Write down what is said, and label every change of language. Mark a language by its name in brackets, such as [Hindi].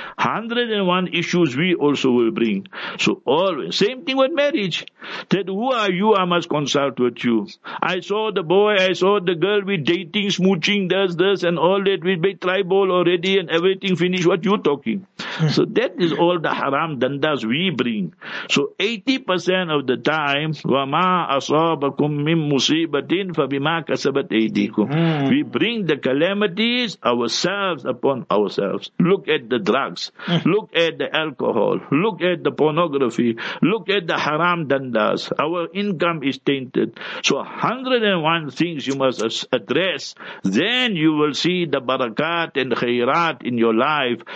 [English] 101 issues we also will bring. So always, same thing with marriage. That who are you, I must consult with you. I saw the boy, I saw the girl, we dating, smooching, does this and all that. We be tribal already and everything finished. What you talking? So that is all the haram dandas we bring. So 80% of the time, [Arabic] وَمَا أَصَابَكُمْ مِنْ مُصِيبَةٍ فَبِمَا كَسَبَتْ أَيْدِيكُمْ. [English] We bring the calamities ourselves upon ourselves. Look at the drugs. Look at the alcohol. Look at the pornography. Look at the haram dandas. Our income is tainted. So 101 things you must address. Then you will see the barakat and khairat in your life.